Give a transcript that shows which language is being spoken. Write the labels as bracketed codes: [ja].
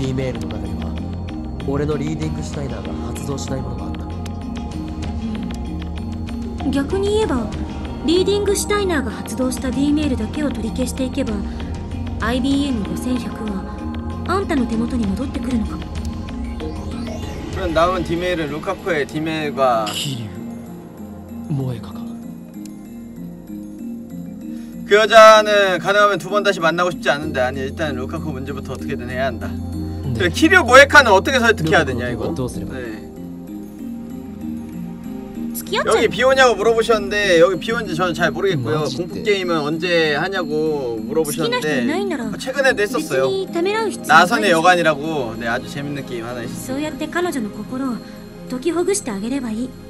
[ja] D メールの中には俺のリーディングシュタイナーが発動しないものもあった。逆に言えば リーディングシュタイナーが発動した D メールだけを取り消していけば IBN 5100はあんたの手元に戻ってくるのかも。 [ko] 그럼 남은 D 메일은 루카쿠의 D 메일과 모에카가. 그 여자는 가능하면 두 번 다시 만나고 싶지 않은데 아니 일단 루카쿠 문제부터 어떻게든 해야 한다. 네. 키류 모에카는 어떻게 설득해야 되냐 이거? 네. 여기 비 오냐고 물어보셨는데 여기 비 온지 저는 잘 모르겠고요. 공포 게임은 언제 하냐고 물어보셨는데 최근에 냈었어요. 나선의 여관이라고. 네, 아주 재밌는 게임 하나 있어요. 그래서 [ja] 彼女の心を解きほぐしてあげればいい.